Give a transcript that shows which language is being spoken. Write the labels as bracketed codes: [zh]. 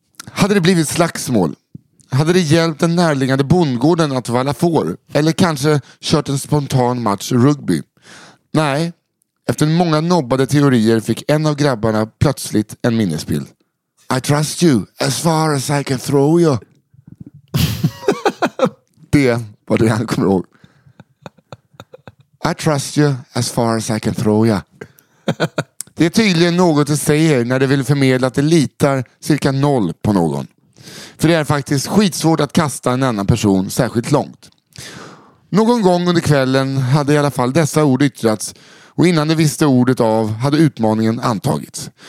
[sv] Hade det blivit slagsmål? Hade det hjälpt den närliggande bondgården att valla får? Eller kanske kört en spontan match rugby? Nej. Efter många nobbade teorier fick en av grabbarna plötsligt en minnesbild. [en] I trust you as far as I can throw you. [sv] Det var det han kommer ihåg. [en] I trust you as far as I can throw you. [sv] Det är tydligen något du säger när du vill förmedla att du litar cirka noll på någon. För det är faktiskt skitsvårt att kasta en annan person särskilt långt. Någon gång under kvällen hade i alla fall dessa ord yttrats. Och innan det visste ordet av hade utmaningen antagits.